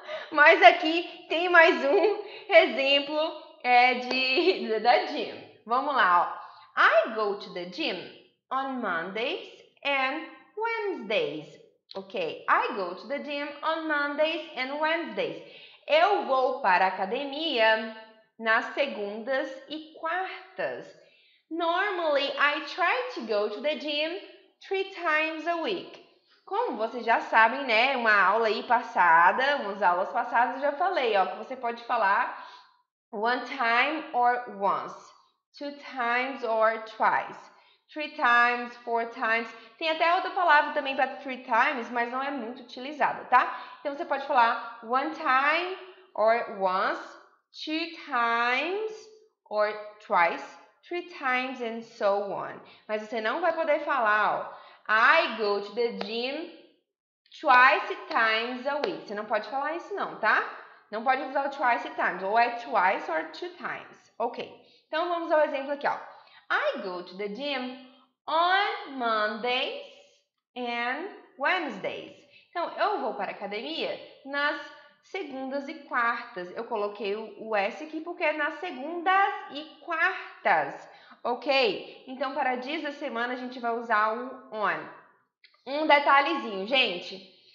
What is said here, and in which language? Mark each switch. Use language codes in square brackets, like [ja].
[pt] Mas aqui tem mais um exemplo da gym. Vamos lá, ó. [en] I go to the gym on Mondays and Wednesdays. Ok, I go to the gym on Mondays and Wednesdays. [pt] Eu vou para a academia nas segundas e quartas. [en] Normally, I try to go to the gym 3 times a week. [pt] Como vocês já sabem, né? Uma aula aí passada, umas aulas passadas, eu já falei, ó, que você pode falar [en] one time or once, 2 times or twice. Three times, four times. [pt] Tem até outra palavra também para [en] three times, [pt] mas não é muito utilizada, tá? Então você pode falar [en] one time or once, two times or twice, three times and so on. [pt] Mas você não vai poder falar, ó, [en] I go to the gym twice times a week. [pt] Você não pode falar isso não, tá? Não pode usar o [en] twice times, [pt] ou é [en] twice or two times. [pt] Ok, então vamos ao exemplo aqui, ó. [en] I go to the gym on Mondays and Wednesdays. [pt] Então, eu vou para a academia nas segundas e quartas. Eu coloquei o S aqui porque é nas segundas e quartas, ok? Então, para dias da semana, a gente vai usar o on. Um detalhezinho, gente.